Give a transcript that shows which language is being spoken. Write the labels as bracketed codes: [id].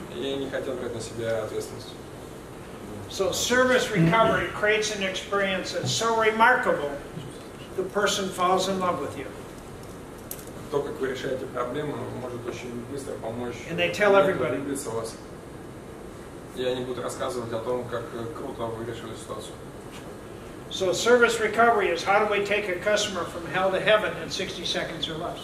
[ru] И не хотят брать на себя ответственность. [en] So service recovery creates an experience that's so remarkable, the person falls in love with you. [ru] То, как вы решаете проблему, может очень быстро помочь. [en] And they tell everybody. [ru] И они будут рассказывать о том, как круто вы решили ситуацию. [en] So service recovery is how do we take a customer from hell to heaven in 60 seconds or less?